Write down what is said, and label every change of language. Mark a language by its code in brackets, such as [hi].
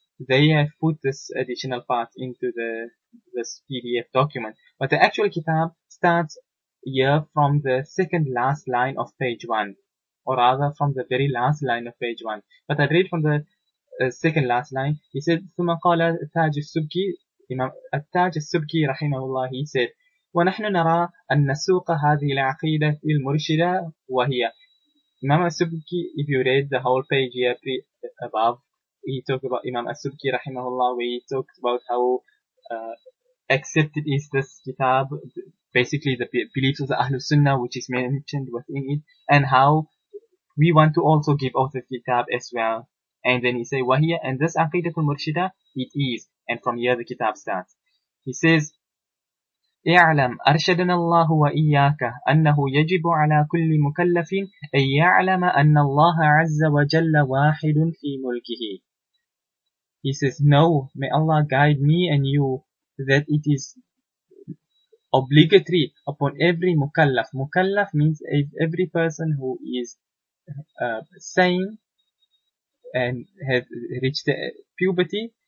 [en] They have put this additional part into this PDF document. But the actual kitab starts year from the second last line of page 1, or rather from the very last line of page 1. But I read from the second last line. He said, [ar] ثم قال التاج السبكي, Imam التاج السبكي رحمه الله, he said, ونحن نرى أن نسوق هذه العقيدة المرشدة وهي. [en] Imam السبكي, if you read the whole page here above, he talked about Imam السبكي رحمه الله, where he talked about how accepted is this kitab, basically the beliefs of the Ahlul Sunnah, which is mentioned within it, and how we want to also give out the kitab as well. And then he say, wahiya, and this Aqeedah al-Murshidah, it is. And from here the kitab starts. He says, [ar] اعلم أرشدنا الله وإياك أنه يجب على كل مكلف أن يعلم أن الله عز وجل واحد في ملكه. [en] He says, no, may Allah guide me and you that it is obligatory upon every mukallaf. Mukallaf means every person who is sane and has reached puberty,